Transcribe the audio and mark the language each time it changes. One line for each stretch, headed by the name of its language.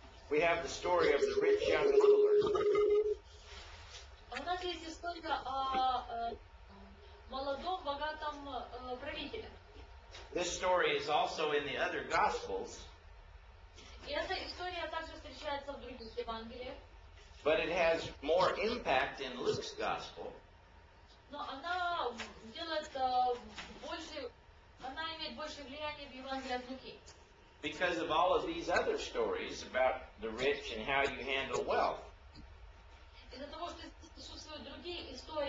English: we have the story of the rich young ruler.
Russian: У нас есть история о молодом, богатом правителе.
English: This story is also in the other Gospels.
Russian: И эта история также встречается в других Евангелиях.
English: But it has more impact in Luke's gospel.
Russian: Но она делает больше, она имеет больше влияния в Евангелии от Луки.
English: Because of all of these other stories about the rich and how you handle wealth.
Russian: Из-за того, что существуют другие истории.